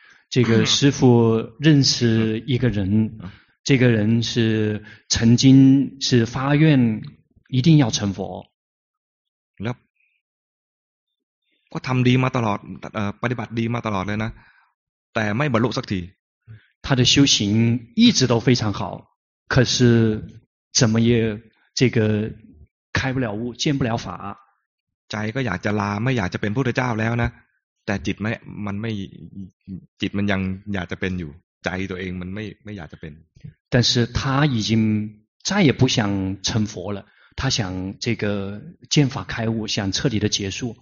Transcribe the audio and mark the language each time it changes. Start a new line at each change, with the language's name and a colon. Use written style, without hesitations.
Chinese: 这个师父认识一个人这个人是曾经是发愿一定要成佛
Thai: แล้วก็ทำดีมาตลอดปฏิบัติดีมาตลอดเลยนะแต่ไม่บรรลุสักที
Chinese: 他的修行一直都非常好可是怎么也这个开不了悟见不了法
Thai: ใจก็อยากจะลาไม่อยากจะเป็นพระพุทธเจ้าแล้วนะแต่จิตไม่มันไม่จิตมันยังอยากจะเป็นอยู่ใจตัวเองมันไม่อยากจะเป็น
Chinese: 但是他已经再也不想成佛了他想这个见法开悟想彻底的结束